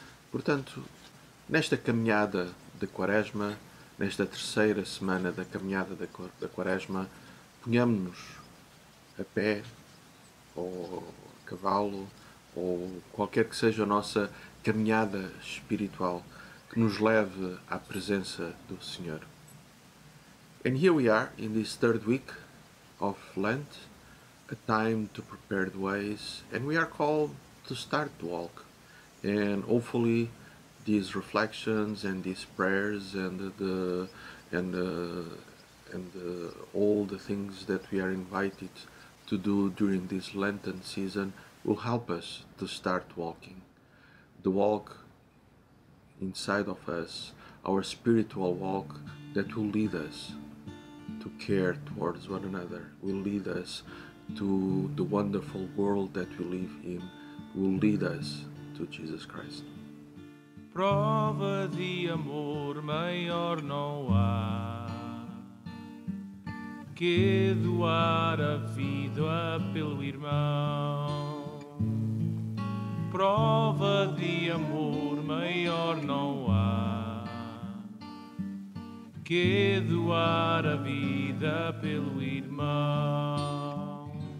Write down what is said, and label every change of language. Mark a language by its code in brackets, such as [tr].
[pt] Portanto, nesta caminhada de Quaresma, nesta terceira semana da caminhada da Quaresma, ponhamos-nos a pé, ou a cavalo, ou qualquer que seja a nossa caminhada espiritual, que nos leve à presença do Senhor. [en] And here we are in this third week of Lent, a time to prepare the ways, and we are called to start the walk. And hopefully these reflections and these prayers and all the things that we are invited to do during this Lenten season will help us to start walking. The walk inside of us, our spiritual walk, that will lead us to care towards one another, will lead us to the wonderful world that we live in, will lead us to Jesus Christ. [pt] Prova de amor maior não há que doar a vida pelo irmão. Prova de amor maior não há que doar a vida pelo irmão.